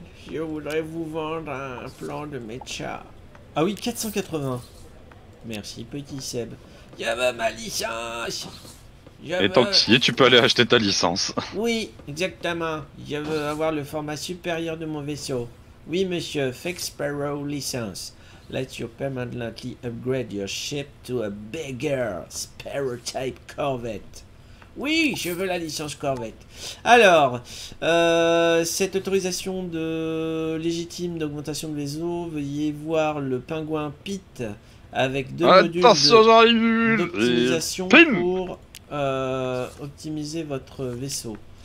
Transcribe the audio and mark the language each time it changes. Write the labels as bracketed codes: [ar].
[fr] Je voudrais vous vendre un plan de Mecha. Ah oui, 480. Merci petit Seb. J'avais ma licence. Et tant que tu y es, tu peux aller acheter ta licence. Oui, exactement. Je veux avoir le format supérieur de mon vaisseau. Oui, monsieur, Fix Sparrow License. [en] Let you permanently upgrade your ship to a bigger Sparrow type Corvette. [fr] Oui, je veux la licence Corvette. Alors, cette autorisation de légitime d'augmentation de vaisseau, veuillez voir le pingouin Pit avec deux modules d'optimisation pour optimiser votre vaisseau.